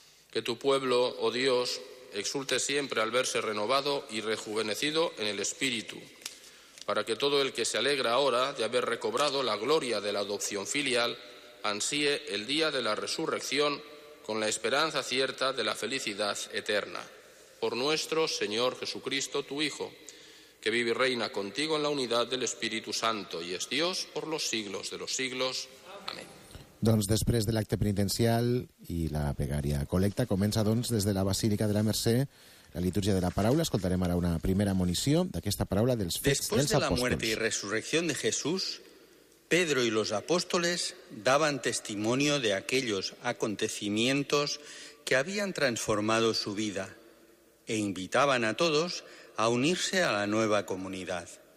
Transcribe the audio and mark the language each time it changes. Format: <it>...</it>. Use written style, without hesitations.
<es>Que tu pueblo, oh Dios, exulte siempre al verse renovado y rejuvenecido en el Espíritu, para que todo el que se alegra ahora de haber recobrado la gloria de la adopción filial ansíe el día de la resurrección con la esperanza cierta de la felicidad eterna. Por nuestro Señor Jesucristo, tu Hijo, que vive y reina contigo en la unidad del Espíritu Santo y es Dios por los siglos de los siglos. Amén.</es> <ca>Doncs després de l'acte penitencial i la pregària col·lecta, comença doncs des de la Basílica de la Mercè la litúrgia de la paraula. Escoltarem ara una primera admonició d'aquesta paraula dels fets dels apòstols.</ca> <es>Después de la muerte y resurrección de Jesús, Pedro y los apóstoles daban testimonio de aquellos acontecimientos que habían transformado su vida e invitaban a todos a unirse a la nueva comunidad.</es>